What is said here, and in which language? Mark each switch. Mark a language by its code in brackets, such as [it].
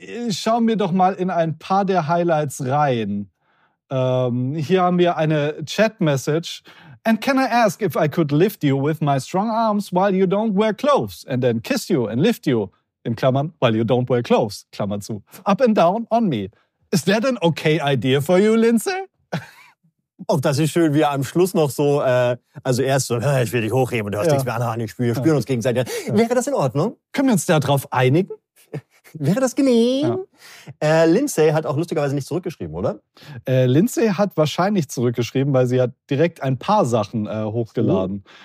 [de] schauen wir doch mal in ein paar der Highlights rein. Hier haben wir eine Chat-Message. [en] And can I ask if I could lift you with my strong arms while you don't wear clothes and then kiss you and lift you? [de] In Klammern, [en] while you don't wear clothes, [de] Klammer zu. [en] Up and down on me. Is that an okay idea for you, Linse? [de] Oh, das ist schön, wie er am Schluss noch so, also erst so, ich will dich hochheben und du hast nichts mehr anhand, wir spüren uns gegenseitig. Ja. Wäre das in Ordnung? Können wir uns darauf einigen? Wäre das genehm? Ja. Lindsay hat auch lustigerweise nicht zurückgeschrieben, oder? Lindsay hat wahrscheinlich zurückgeschrieben, weil sie hat direkt ein paar Sachen hochgeladen.